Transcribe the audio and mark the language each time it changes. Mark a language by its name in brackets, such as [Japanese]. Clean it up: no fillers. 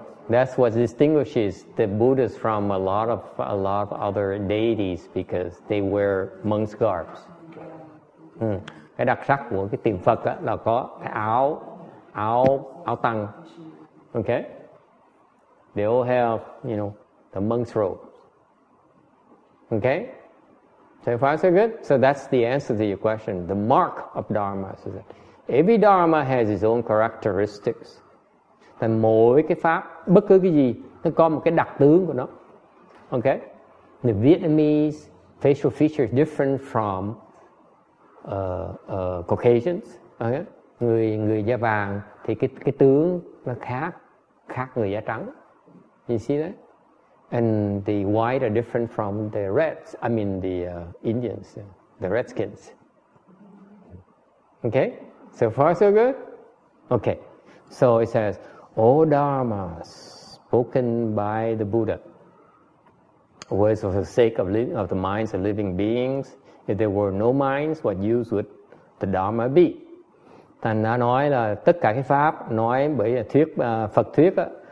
[English] That's what distinguishes the Buddhas from a lot of other deities because they wear monk's garbs. [Vietnamese] Cái đặc sắc của cái tượng Phật á là có cái áo tăng. [English] Okay? They all have, you know, the monk's robe. Okay? So far so good? So that's the answer to your question. The mark of Dharma. Every Dharma has its own characteristics. [Vietnamese] Then mỗi cái pháp, bất cứ cái gì, nó có một cái đặc tướng của nó. Okay? [English] The Vietnamese facial features different from Caucasians. Okay? [Vietnamese] Người da vàng thì cái tướng nó khác người da trắng. [English] You see that? And the white are different from the reds. I mean the Indians, the Redskins. Okay? So far so good? Okay. So it says, all dharmas spoken by the Buddha, words for the sake of the minds of living beings, if there were no minds, what use would the dharma be? [Vietnamese] Thành đã nói là tất cả cái pháp nói bởi thuyết Phật thuyết á,